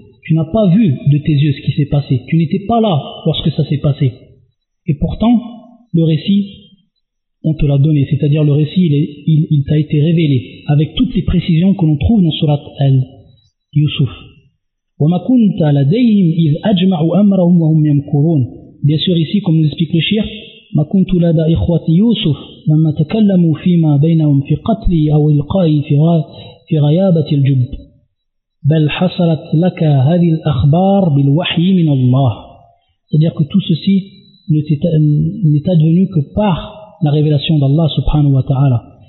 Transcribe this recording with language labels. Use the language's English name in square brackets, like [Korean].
[French] Tu n'as pas vu de tes yeux ce qui s'est passé. Tu n'étais pas là lorsque ça s'est passé. Et pourtant, le récit on te l'a donné, c'est-à-dire le récit, il t'a été révélé, avec toutes les précisions que l'on trouve dans surat Al-Yusuf. [Arabic] وَمَا كُنْتَ لَدَيْهِمْ إِذْ أَجْمَعُوا أَمْرَهُمْ وَهُمْ يَمْكُرُونَ. [French] Bien sûr, ici, comme nous explique le Cheikh, [Arabic] مَا كُنْتُ لَدَى إِخْوَةِ يُوسُفَ لَمَّا تَكَلَّمُوا فِيمَا بَيْنَهُمْ فِي قَتْلِي أَوْ إِلْقَائِي فِي غَيَابَةِ الْجُبِّ بَلْ حَصَلَتْ لَكَ هَذِهِ الْأَخْبَارُ بِالْوَحْيِ مِنَ اللَّهِ. [French] C'est-à-dire que tout ceci n'est advenu que par la révélation d'Allah subhanahu wa ta'ala.